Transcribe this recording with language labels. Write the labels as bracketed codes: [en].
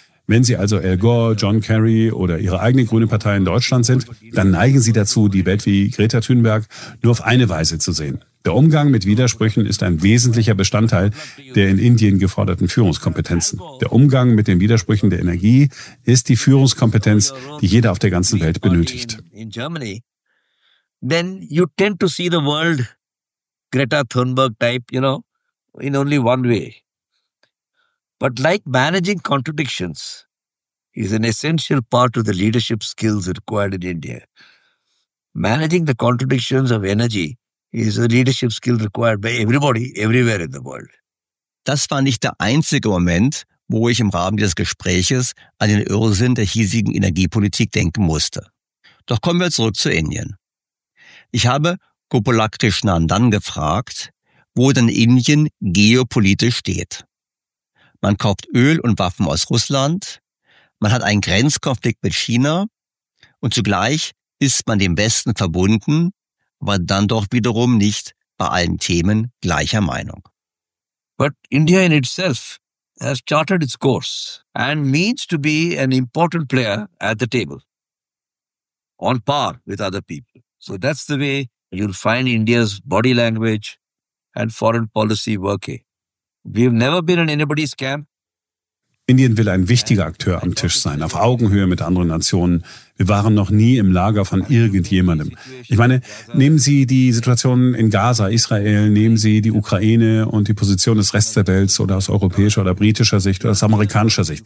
[de] Wenn Sie also Al Gore, John Kerry oder Ihre eigene grüne Partei in Deutschland sind, dann neigen Sie dazu, die Welt wie Greta Thunberg nur auf eine Weise zu sehen. Der Umgang mit Widersprüchen ist ein wesentlicher Bestandteil der in Indien geforderten Führungskompetenzen. Der Umgang mit den Widersprüchen der Energie ist die Führungskompetenz, die jeder auf der ganzen Welt benötigt. [en] In Germany, then you tend to see the world Greta Thunberg type, you know, in only one way. But like managing contradictions is an essential part of the leadership skills required in India, managing the contradictions of energy is a leadership skill required by everybody, everywhere in the world. [de] Das war nicht der einzige Moment, wo ich im Rahmen des Gespräches an den Irrsinn der hiesigen Energiepolitik denken musste. Doch kommen wir zurück zu Indien. Ich habe Gopalakrishnan dann gefragt, wo denn Indien geopolitisch steht. Man kauft Öl und Waffen aus Russland, man hat einen Grenzkonflikt mit China und zugleich ist man dem Westen verbunden, aber dann doch wiederum nicht bei allen Themen gleicher Meinung. [en] But India in itself has charted its course and means to be an important player at the table, on par with other people. So that's the way you'll find India's body language and foreign policy working. We've never been in anybody's camp. [de] Indien will ein wichtiger Akteur am Tisch sein, auf Augenhöhe mit anderen Nationen. Wir waren noch nie im Lager von irgendjemandem. Ich meine, nehmen Sie die Situation in Gaza, Israel, nehmen Sie die Ukraine und die Position des Rests der Welt oder aus europäischer oder britischer Sicht oder aus amerikanischer Sicht.